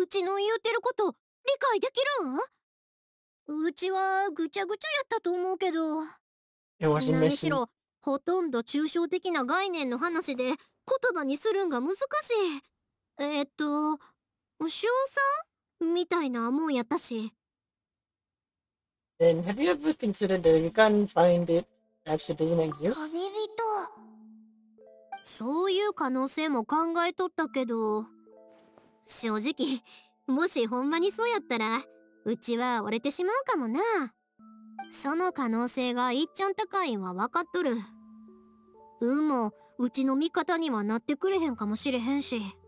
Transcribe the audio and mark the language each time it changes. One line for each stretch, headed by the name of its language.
Japanese: うちの言うてること理解できるん？うちはぐちゃぐちゃやったと思うけど、何しろほとんど抽象的な概念の話で言葉にするんが難しい。称賛みたいなもんやったし。
English: Then have you ever considered that you can't find it? Perhaps it doesn't exist?
Japanese: 旅人。そういう可能性も考えとったけど、正直もしほんまにそうやったら、うちは折れてしまうかもな。その可能性がいっちゃん高いんは分かっとる。運もうちの味方にはなってくれへんかもしれへんし。